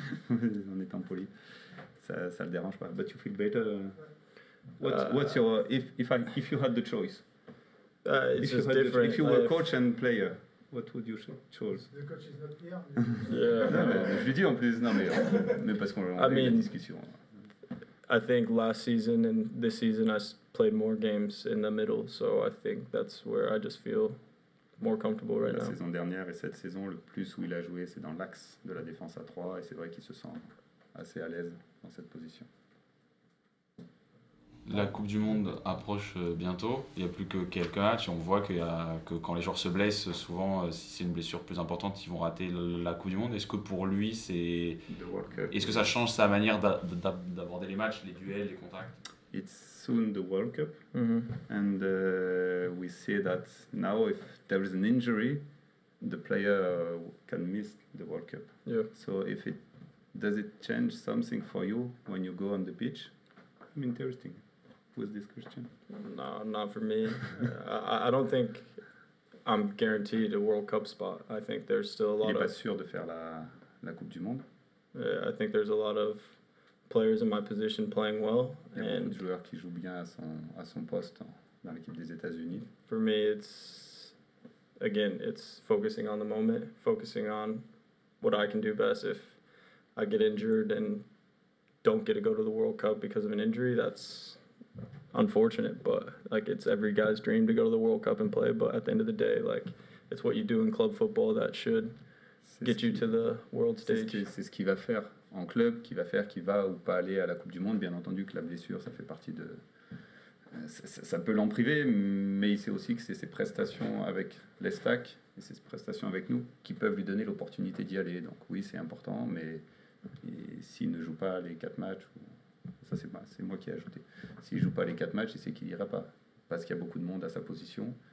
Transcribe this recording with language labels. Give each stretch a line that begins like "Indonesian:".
French: En étant poli, ça le dérange pas.
English: But you feel better. What's your if you had the choice? It's just different. If you were coach and player, what would you choose? The coach is not here. Yeah.
French: Non, je lui dis en plus, non mais parce qu'on a eu une discussion.
English: I think last season and this season I played more games in the middle, so I think that's where I just feel more comfortable right now.
French: La saison dernière et cette saison, le plus où il a joué, c'est dans l'axe de la défense à 3, et c'est vrai qu'il se sent assez à l'aise dans cette position. La Coupe du Monde approche bientôt, il n'y a plus que quelques matchs, on voit que quand les joueurs se blessent, souvent, si c'est une blessure plus importante, ils vont rater la Coupe du Monde. Est-ce que pour lui, c'est... Est-ce que ça change sa manière d'aborder les matchs, les duels, les contacts?
English: It's soon the World Cup, mm-hmm. And we see that now if there is an injury, the player can miss the World Cup. Yeah. So if it does it change something for you when you go on the pitch? I'm interesting. Who's this question? No, not for me. I don't think I'm guaranteed a World Cup spot. I think there's still a lot.
French: Il est pas sûr de faire la Coupe du Monde.
English: Yeah, I think there's a lot of players in my position playing well.
French: Il y a beaucoup de joueurs qui jouent bien à son poste dans l'équipe des États-Unis.
English: For me, it's again, it's focusing on the moment, focusing on what I can do best. If I get injured and don't get to go to the World Cup because of an injury, that's unfortunate. But like, it's every guy's dream to go to the World Cup and play. But at the end of the day, like, it's what you do in club football that should get you to the world stage.
French: C'est ce qu'il va faire en club, qu'il va faire, qu'il va ou pas aller à la Coupe du Monde. Bien entendu que la blessure, ça fait partie de... Ça peut l'en priver, mais il sait aussi que c'est ses prestations avec l'Estac et ses prestations avec nous qui peuvent lui donner l'opportunité d'y aller. Donc oui, c'est important, mais s'il ne joue pas les 4 matchs, ça c'est moi qui ai ajouté, s'il ne joue pas les 4 matchs, il sait qu'il n'ira pas, parce qu'il y a beaucoup de monde à sa position.